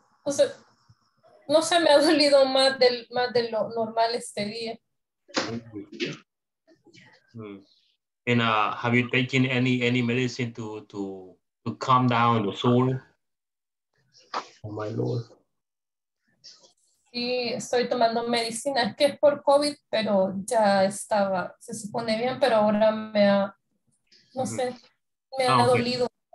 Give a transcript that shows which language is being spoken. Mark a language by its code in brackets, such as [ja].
[es] O sea, no se me ha dolido más de lo normal este día. [en] And have you taken any medicine to calm down the soul? Oh my lord. [es] Sí, estoy tomando medicina que es por COVID, pero ya estaba, se supone bien, pero ahora me ha dolido.